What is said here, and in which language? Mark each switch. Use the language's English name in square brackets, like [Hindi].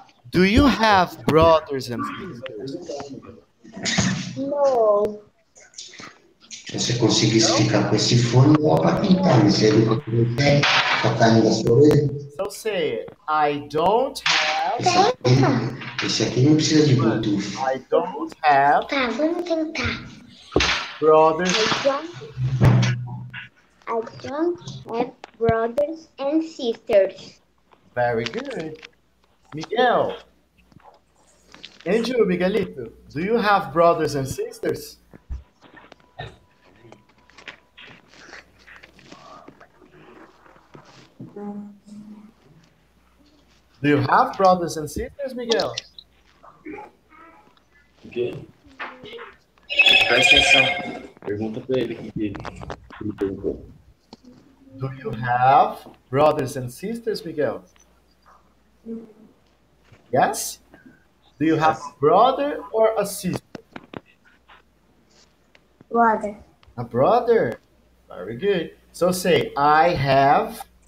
[English] Do you have brothers and sisters? No. [Portuguese] Se você conseguisse ficar com esse fone, dá pra pintar, mas ele não tem pra carne da sua orelha. [English] So say, I don't have... [Portuguese] Esse aqui não precisa de Bluetooth. [English] I don't have... [Portuguese] Tá, vamos tentar. [English] Brothers... I don't have brothers and sisters. Very good. Miguel. Andrew, Miguelito, do you have brothers and sisters? Do you have brothers and sisters, Miguel? [Portuguese] Okay. Presta atenção. Pergunta para ele que ele perguntou. [English] Do you have brothers and sisters, Miguel? Yes? Do you have a brother or a sister? Brother. A brother. Very good. So say, I have...